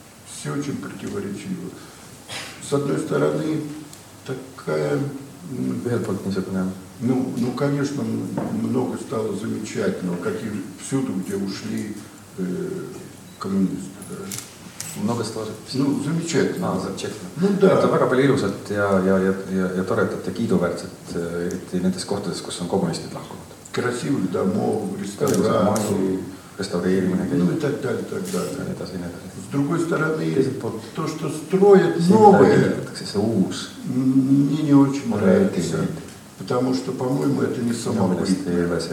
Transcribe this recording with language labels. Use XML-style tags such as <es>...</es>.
<ru>Все очень противоречиво. С одной стороны, такая... Вельпорт, не запоминаем. Ну, конечно, много стало замечательного, как и всюду, где ушли коммунисты. Да. Много стало замечательного? Ну, замечательно. А, замечательно. Ну, да.</ru> <et>Это väga palju ilusat ja toredat ja kiiduväärset, eriti nendes kohtades, kus on kommunistid lahkunud.</et> <ru>Красивых домов, ресторации. Реставрирование. Ну, и так далее, так далее. С другой стороны, то, что строят новое, мне не очень нравится. Потому что, по-моему, это не самобытное,</ru>